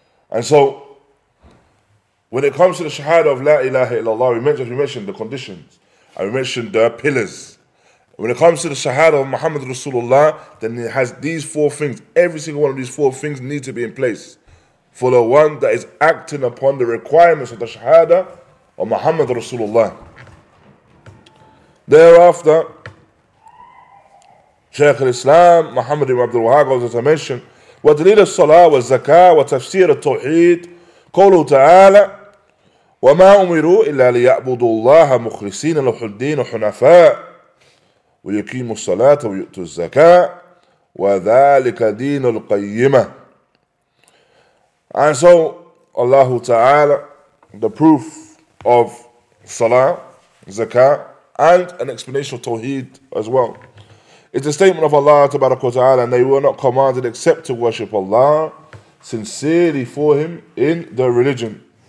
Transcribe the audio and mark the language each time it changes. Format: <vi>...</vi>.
<en>And so, when it comes to the shahada of La ilaha illallah, we mentioned the conditions, and we mentioned the pillars. When it comes to the shahada of Muhammad Rasulullah, then it has these four things. Every single one of these four things need to be in place for the one that is acting upon the requirements of the shahada of Muhammad Rasulullah. Thereafter, Shaykh al-Islam Muhammad ibn Abdul Wahhab, as I mentioned,</en> <ar>ودليل الصلاة والزكاة وتفسير التوحيد قوله تعالى وما أمروا إلا ليعبدوا الله مخلصين له الدين حنفاء ويقيموا الصلاة ويؤتوا الزكاة وذلك دين القيمة.</ar> <en>And so Allah Ta'ala the proof of salah, zakat, and an explanation of tawheed as well. It's a statement of Allah tabarak wa ta'ala, and they were not commanded except to worship Allah sincerely for him in the religion.</en>